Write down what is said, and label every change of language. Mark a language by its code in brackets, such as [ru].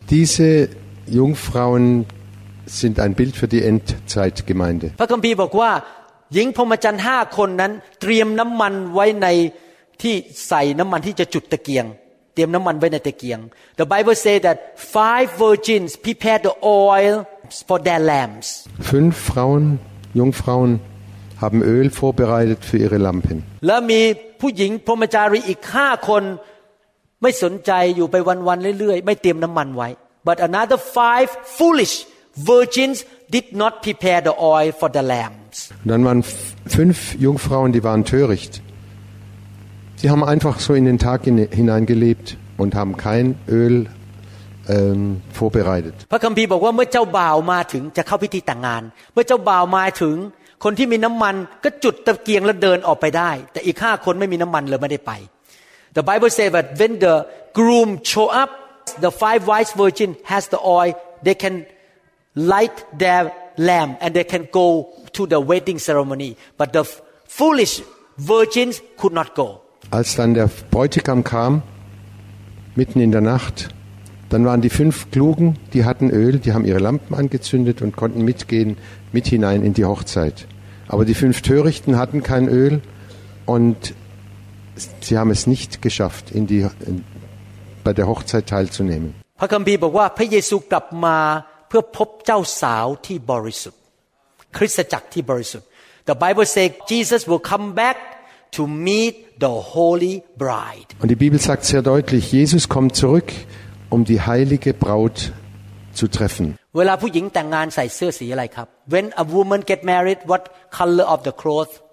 [de] Diese Jungfrauen sind ein Bild für die Endzeitgemeinde. [th] พระคัมภีร์บอกว่าหญิงพรหมจรรย์ 5 คนนั้นเตรียมน้ำมันไว้ในที่ใส่น้ำมันที่จะจุดตะเกียงเตรียมน้ำมันไว้ในตะเกียง [en] The Bible says that 5 virgins prepared the oil for their lamps. [de] 5 Frauen, Jungfrauen haben Öl vorbereitet für ihre Lampen. [th] และมีผู้หญิงพรหมจารีอีก 5 คนไม่สนใจอยู่ไปวันๆเรื่อยๆไม่เตรียมน้ำมันไว้ [en] But another 5 foolish virgins did not prepare the oil for the lamps. [de] Und dann waren 5 Jungfrauen, die waren töricht. Sie haben einfach so in den Tag hineingelebt und haben kein Öl vorbereitet. [th] พระคัมภีร์บอกว่าเมื่อเจ้าบ่าวมาถึงจะเข้าพิธีแต่งงานเมื่อเจ้าบ่าวมาถึงคนที่มีน้ำมันก็จุดตะเกียงแล้วเดินออกไปได้แต่อีก5คนไม่มีน้ำมันเลยไม่ได้ไป [en] The Bible says that when the groom show up, the 5 wise virgin has the oil, they can light their lamp and they can goTo the wedding ceremony, but the foolish virgins could not go. [de] Als dann der Bräutigam kam, mitten in der Nacht, dann waren die 5 Klugen, die hatten Öl, die haben ihre Lampen angezündet und konnten mitgehen, mit hinein in die Hochzeit. Aber die 5 Törichten hatten kein Öl und sie haben es nicht geschafft, bei der Hochzeit teilzunehmen. [th] พระคัมภีร์บอกว่าพระเยซูกลับมาเพื่อพบเจ้าสาวที่บริสุทธิ์คริสตจักรที่บริสุทธิ์ [en] The Bible says Jesus will come back to meet the holy bride. [de] Und die Bibel sagt sehr deutlich, Jesus kommt zurück, um die heilige Braut zu treffen. [th] เวลาผู้หญิงแต่งงานใส่เสื้อสีอะไรครับ [en] When a woman get married, what color of the cloth?